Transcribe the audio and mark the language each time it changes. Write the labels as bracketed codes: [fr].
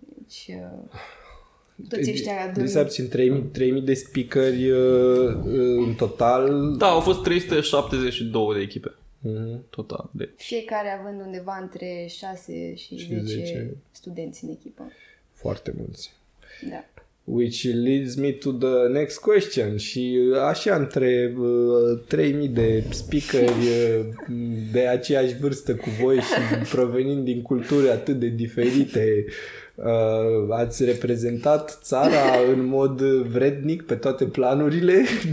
[ro] Deci, toți ăștia adunat. Deci, abțin, 3.000 de speaker în total. Da, au fost 372 de echipe. Total. Fiecare având undeva între 6 și 10 studenți în echipă. Foarte mulți. Da. [en] Which leads me to the next question. [ro] Și așa între 3.000 de speakeri de aceeași vârstă cu voi și provenind din culturi atât de diferite, ați reprezentat țara în mod vrednic pe toate planurile?